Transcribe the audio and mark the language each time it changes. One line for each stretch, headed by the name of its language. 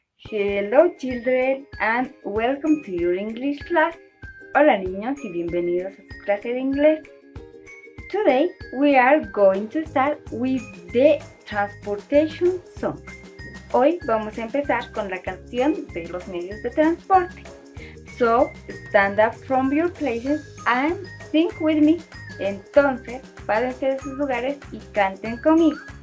English: Hello children and welcome to your English class.
Spanish: Hola niños y bienvenidos a su clase de inglés.
English: Today we are going to start with the transportation song.
Spanish: Hoy vamos a empezar con la canción de los medios de transporte.
English: So stand up from your places and sing with me.
Spanish: Entonces, párense de sus lugares y canten conmigo.